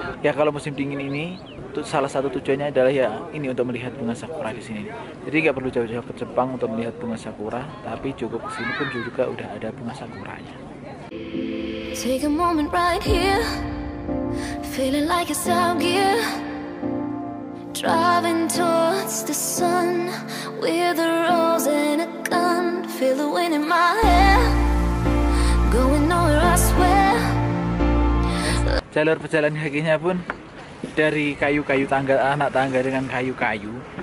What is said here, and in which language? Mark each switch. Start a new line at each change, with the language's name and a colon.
Indonesian: Ya kalau musim dingin ini, salah satu tujuannya adalah ya ini untuk melihat bunga sakura di sini. Jadi nggak perlu jauh-jauh ke Jepang untuk melihat bunga sakura, tapi cukup kesini pun juga udah ada bunga sakuranya.
English: Take a moment right here, feeling like it's out here. Driving towards the sun with a rose and a gun. Feel the wind in my hair, going nowhere, I swear.
Indonesian: Jalur pejalan kakinya pun dari kayu-kayu tangga, anak tangga dengan kayu-kayu.